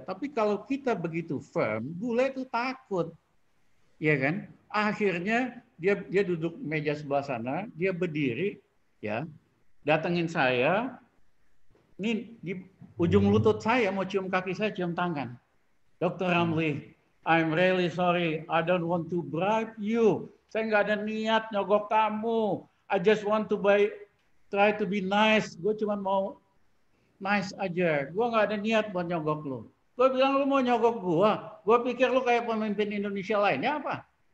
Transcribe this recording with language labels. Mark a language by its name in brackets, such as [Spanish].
[Indonesian] Tapi kalau kita begitu firm, bule itu takut. Iya kan? Akhirnya dia duduk meja sebelah sana, dia berdiri, ya, datengin saya, ini di ujung lutut saya, mau cium kaki saya, cium tangan. [English] Dr. Ramli, I'm really sorry, I don't want to bribe you. [Indonesian] Saya nggak ada niat nyogok kamu. [English] I just want to try to be nice. [Indonesian] Gue cuma mau nice aja. Gue nggak ada niat buat nyogok lu. Gue bilang lu mau nyogok gue. Gue pikir lu kayak pemimpin Indonesia lainnya apa?